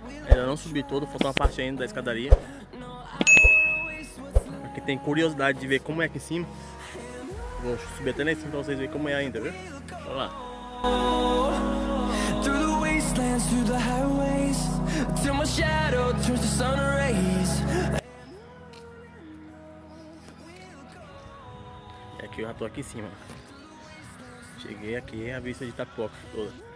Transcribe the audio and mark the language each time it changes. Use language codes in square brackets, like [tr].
[pt] Ainda não subi todo, faltou uma parte ainda da escadaria. Aqui tem curiosidade de ver como é aqui em cima. Vou subir até lá em cima pra vocês verem como é ainda, viu? Olha lá. [en] Through the wastelands, through the highways, till my shadow turns to sun rays. [pt] E aqui eu já tô aqui em cima. Cheguei aqui, a vista de Itapipoca toda.